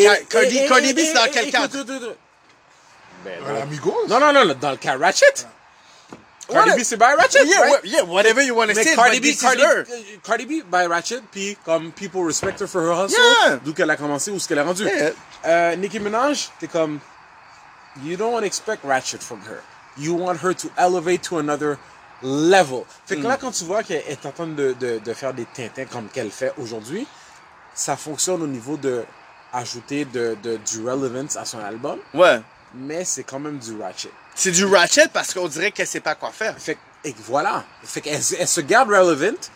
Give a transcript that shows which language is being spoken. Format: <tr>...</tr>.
<fr>Cardi B, c'est dans quel cas? Un Amigos? Non. Dans le cas Ratchet. Cardi B, c'est by Ratchet,</fr> <en>yeah, right? Yeah, whatever you want to say. Cardi B, by Ratchet,</en> <fr>puis comme</fr> <en>people respect her for her hustle, yeah.</en> <fr>D'où qu'elle a commencé, où ce qu'elle a rendu.</fr> <en>Yeah. Nicki Minaj,</en> <fr>t'es comme,</fr> <en>you don't expect Ratchet from her. You want her to elevate to another level.</en> <fr>Fait que là, quand tu vois qu'elle est en train de faire des tintins comme qu'elle fait aujourd'hui, ça fonctionne au niveau d'ajouter du relevance à son album. Ouais. Mais c'est quand même du Ratchet. C'est du ratchet parce qu'on dirait qu'elle sait pas quoi faire. Fait et voilà. Fait qu'elle se garde relevant.</fr>